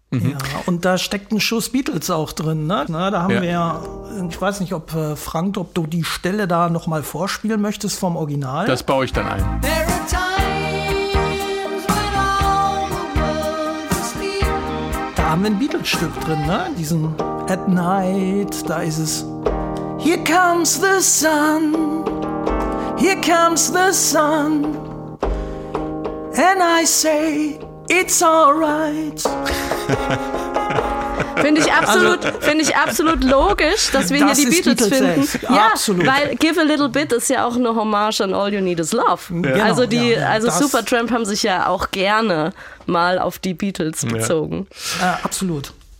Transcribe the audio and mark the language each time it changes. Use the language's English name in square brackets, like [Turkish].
[German] Ja, und da steckt ein Schuss Beatles auch drin, ne? Na, da haben wir ja, ich weiß nicht, ob Frank, ob du die Stelle da nochmal vorspielen möchtest vom Original. Das baue ich dann ein. Da haben wir ein Beatles-Stück drin, ne? Diesen At Night, da ist es. [English] Here comes the sun, here comes the sun, and I say, it's alright. [German] Finde ich absolut logisch, dass wir das hier die Beatles finden. Ja, absolut. Weil Give a Little Bit ist ja auch eine Hommage an All You Need Is Love. Ja. Genau, also Supertramp haben sich ja auch gerne mal auf die Beatles bezogen. Ja. Absolut.